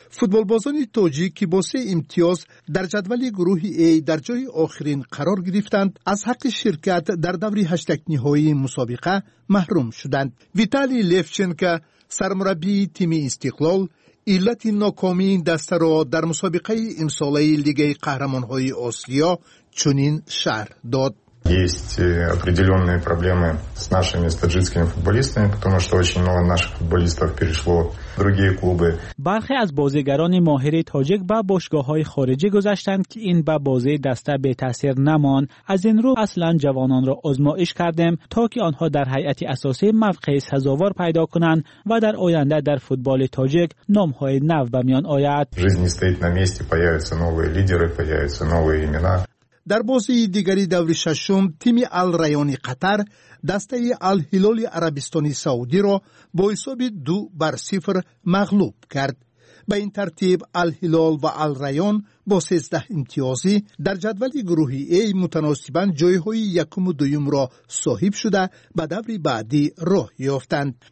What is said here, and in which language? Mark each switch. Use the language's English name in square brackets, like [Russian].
[Persian] فوتبال بازان تاجیک که با 3 امتیاز در جدول گروه A در جای آخرین قرار گرفتند از حق شرکت در دوری 8 نهایی مسابقه محروم شدند. ویتالی لفچنکا سرمربی تیم استقلال علت ناکامی این دسته را در مسابقه امساله لیگ قهرمانهای آسیا چنین شرح داد. [Russian] Есть определенные проблемы с нашими таджикскими футболистами, потому что очень много наших футболистов перешло в другие клубы. [Persian] برخی از بازیگران ماهر تاجیک به باشگاه‌های خارجی گذشتند که این به بازی دسته به تاثیر نماند. از این رو اصلا جوانان را آزمایش کردیم تا که آنها در هیئت اساسی موقع سزاوار پیدا کنند و در آینده در فوتبال تاجیک نام‌های نو به میان آید. [Russian] Жизнь стоит на месте, появятся новые лидеры, появятся новые имена. [Persian] در بازی دیگری دور ششم تیم الریان قطر دسته الهلال عربستان سعودی را با حساب 2-0 مغلوب کرد. به این ترتیب الهلال و الریان با 13 امتیازی در جدول گروه A متناسباً جایهای یکم و دویم را صاحب شده به دور بعدی راه یافتند.